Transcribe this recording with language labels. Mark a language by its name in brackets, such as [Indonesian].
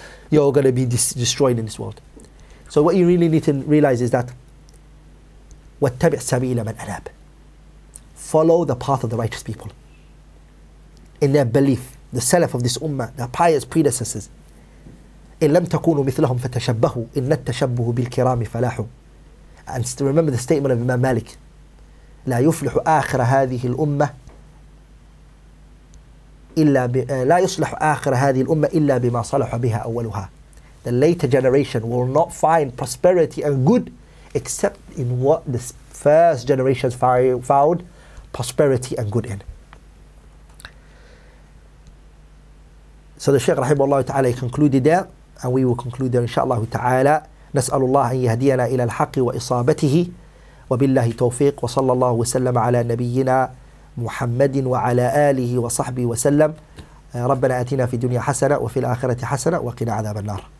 [English] You're going to be destroyed in this world. So what you really need to realize is that [Arabic] وَاتَّبِعْ سَبِيلَ مَنْ أَنَابْ, [English] follow the path of the righteous people in their belief, the salaf of this ummah, their pious predecessors. [Arabic] إِنْ لَمْ تَكُونُوا مِثْلَهُمْ فَتَشَبَّهُوا إِنَّ التَّشَبُّهُ بِالْكِرَامِ فَلَاحُ. [English] And still remember the statement of Imam Malik, [Arabic] لَا يُفْلِحُ آخِرَ هَذِهِ الْأُمَّةِ لا يصلح آخر هذه الأمة إلا بما صلح بها أولها. [English] The later generation will not find prosperity and good except in what the first generations found prosperity and good in. So the Shaykh rahimahullah ta'ala concluded there, and we will conclude there inshallah ta'ala. [Arabic] نسأل الله أن يهدينا إلى الحق وإصابته وبالله توفيق وصلى الله وسلم على نبينا محمد وعلى آله وصحبه وسلم. ربنا آتنا في الدنيا حسنة وفي الآخرة حسنة وقنا عذاب النار.